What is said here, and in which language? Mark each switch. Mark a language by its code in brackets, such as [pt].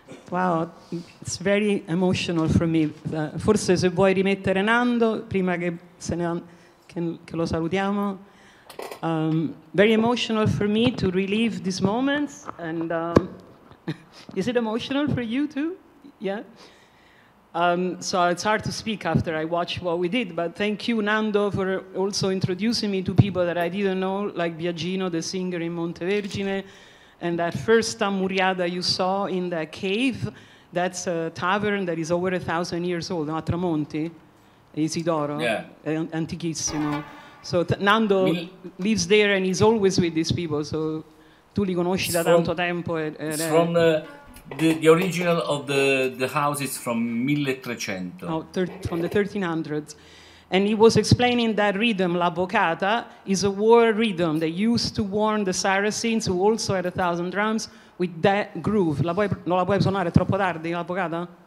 [en] Wow, it's very emotional for me. [it] Forse se vuoi rimettere Nando prima che se ne che lo salutiamo. [en] Very emotional for me to relive these moments. And is it emotional for you too? Yeah. So it's hard to speak after I watched what we did, but thank you, Nando, for also introducing me to people that I didn't know, like Biagino, the singer in Montevergine, and that first Tammorriata you saw in that cave, that's a tavern that is over 1,000 years old, a Tramonti, Isidoro, yeah. Antichissimo. So Nando lives there and he's always with these people, so tu li conosci da tanto tempo. The original of the house is from 1300. From the 1300s. And he was explaining that rhythm, la boccata, is a war rhythm. They used to warn the Saracens, who also had 1,000 drums, with that groove. [it] Non la puoi suonare, è troppo tardi, la boccata?